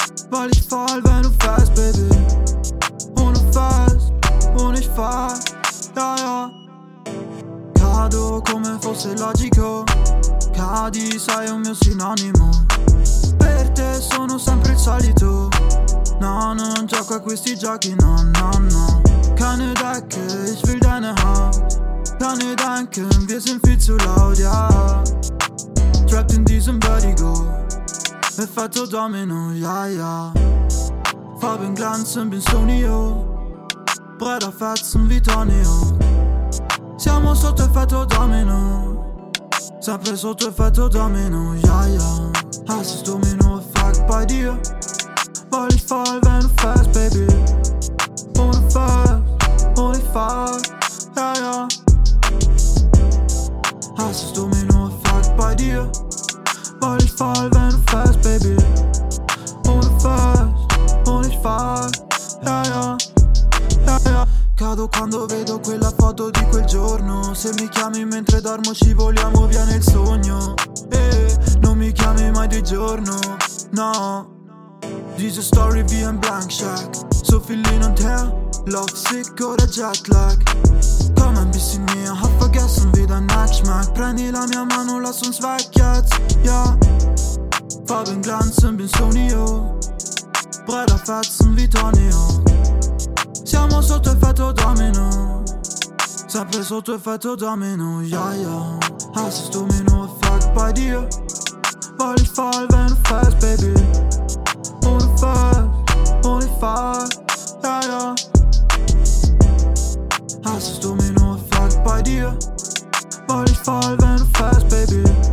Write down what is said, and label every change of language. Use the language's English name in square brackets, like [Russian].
[German] Weil ich fall, wenn du fährst, Baby. Und du fährst, und ich fahr, ja, ja. [Italian] Cado come fosse logico. Cadi, sei un mio sinonimo. Per te sono sempre il solito. No, non gioco a questi giochi, no, no, no. [German] Keine Decke, ich will deine Haut. Deine denken, wir sind viel zu laut, ja. Trapped in diesem Vertigo. [Italian] Effetto domino, [German] ja, ja. Farben glänzen, bin Sonio. Bretter fetzen wie Tonio. [Italian] Siamo sotto effetto domino. Sempre sotto effetto domino, ja, ja. [German] Hast es domino effect bei dir. Weil ich fall, wenn du fährst, Baby. Und du fährst, und ich fahr, ja, ja. Hast es domino effect bei dir. Weil ich fall, wenn du fährst, Baby. Und du fährst, und ich fahr, ja, ja. [Italian] Cado quando vedo quella foto di quel giorno. Se mi chiami mentre dormo scivoliamo via nel sogno. Non mi chiami mai di giorno, no. [German] Diese story wie ein Blankscheck. So viel hin und her, love sick oder jetlag. Komm ein bisschen näher, hab vergessen wie dein Neck schmeckt. [Italian] Prendi la mia mano, [German] lass uns weg jetzt, ja. Farben glänzen, bin Sonio. Bretter fetzen wie Tonio. [Italian] Siamo sotto effetto domino. Sempre sotto effetto domino, ja, ja. [German] Hast es domino effect bei dir. Weil ich fall, wenn du fährst, Baby. Und du fährst, und ich fahr, ja, ja. Hast es domino effect bei dir. Weil ich fall, wenn du fährst, Baby.